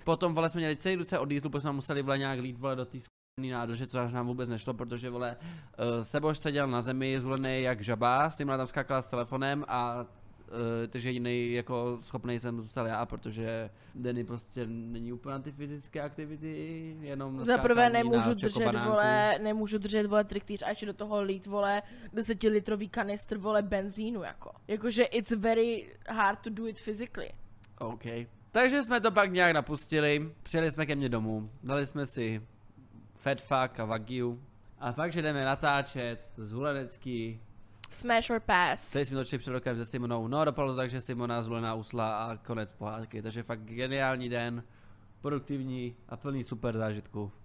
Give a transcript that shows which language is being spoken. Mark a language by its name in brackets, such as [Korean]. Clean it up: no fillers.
[Czech] Potom, vole, jsme měli celý ruce od dieselu, protože jsme museli, vole, nějak lít, vole, do té skvělý nádrže, co až nám vůbec nešlo, protože, vole, Seboš seděl na zemi zvolený jak žaba, Simona tam skákala s telefonem a takže jediný jako schopný jsem zůstal já, protože Denny prostě není úplně na ty fyzické aktivity, jenom za prvé nemůžu držet, vole, nemůžu držet, vole, triktýř a ještě do toho lít, vole, 10-litrový kanistr, vole, benzínu, jako. [English] Jakože it's very hard to do it physically. OK. [Czech] Takže jsme to pak nějak napustili, přijeli jsme ke mně domů, dali jsme si fat fuck a wagyu a pak, že jdeme natáčet z Hulenecký [English] smash or pass. [Czech] Teď jsme točili před rokem se Simonou, no dopadlo to tak, že Simona zvolená usla a konec pohádky, takže fakt geniální den, produktivní a plný super zážitku.